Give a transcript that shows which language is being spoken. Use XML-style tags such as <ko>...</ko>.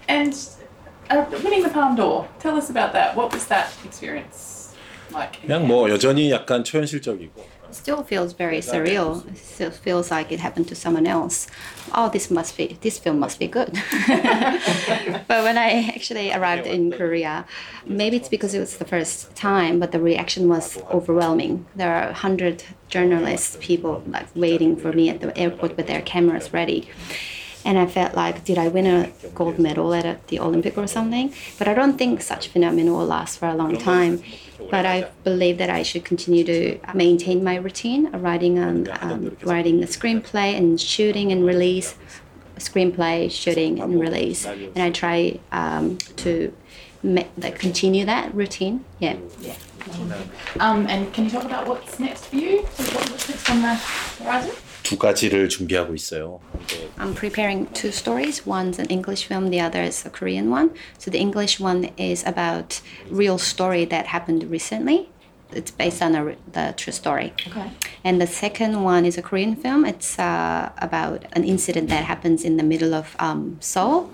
<en>And winning the Palme d'Or, tell us about that. What was that experience like?</en> <ko>그냥 뭐 여전히 약간 초현실적이고.</ko> <en>It still feels very surreal. It still feels like it happened to someone else. Oh, this film must be good. But when I actually arrived in Korea, maybe it's because it was the first time, but the reaction was overwhelming. There are 100 journalists, people like waiting for me at the airport with their cameras ready. And I felt like, did I win a gold medal at the Olympic or something? But I don't think such phenomenon will last for a long time. But I believe that I should continue to maintain my routine, writing a screenplay and shooting and release, screenplay, shooting and release. And I try to continue that routine. Yeah. And can you talk about what's next for you? What's next on the horizon?</en> <ko>두 가지를 준비하고 있어요.</ko> <en>I'm preparing two stories. One's an English film, the other is a Korean one. So the English one is about real story that happened recently. It's based on the true story. Okay. And the second one is a Korean film. It's about an incident that happens in the middle of Seoul.</en>